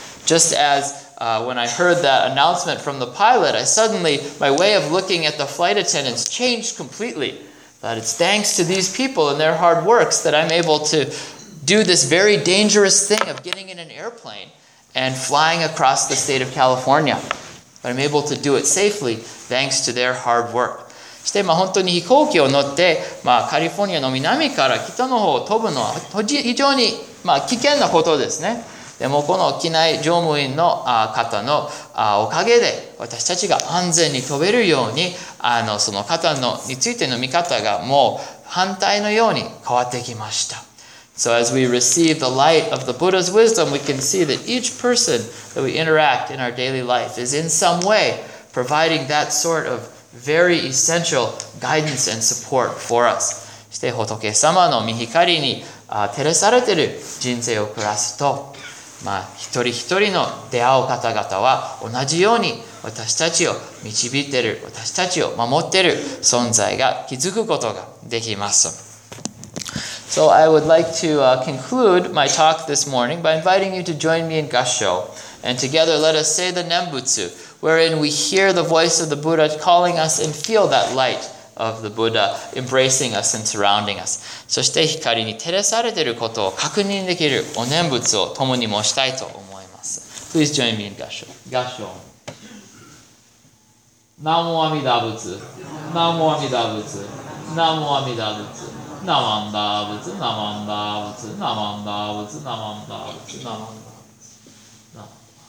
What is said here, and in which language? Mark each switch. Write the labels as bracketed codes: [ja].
[en] Just as when I heard that announcement from the pilot, I suddenly, my way of looking at the flight attendants changed completely. But it's thanks to these people and their hard works that I'm able to do this very dangerous thing of getting in an airplane. And flying across the state of California. But I'm able to do it safely thanks to their hard work. [ja] そして、本当に飛行機を乗って、カリフォルニアの南から北の方を飛ぶのは非常に危険なことですね。でも、この機内乗務員の方のおかげで、私たちが安全に飛べるように、その方のについての見方がもう反対のように変わってきました。 [en] So as we receive the light of the Buddha's wisdom, we can see that each person that we interact in our daily life is in some way providing that sort of very essential guidance and support for us. [ja] そして仏様の御光に照らされている人生を暮らすと、一人一人の出会う方々は同じように私たちを導いている、私たちを守っている存在が築くことができます。 [en] So I would like to conclude my talk this morning by inviting you to join me in Gassho. And together let us say the Nembutsu, wherein we hear the voice of the Buddha calling us and feel that light of the Buddha embracing us and surrounding us. [ja] そして光に照らされていることを確認できるお念仏を共に申したいと思います。 [en] Please join me in Gassho. Gassho. [ja] Namo Amida Butsu. Namo Amida Butsu. Namo Amida Butsu. ナマンダーブツ、ナマンダーブツ、ナマンダーブツ、ナマンダーブツ、ナマンダーブツ。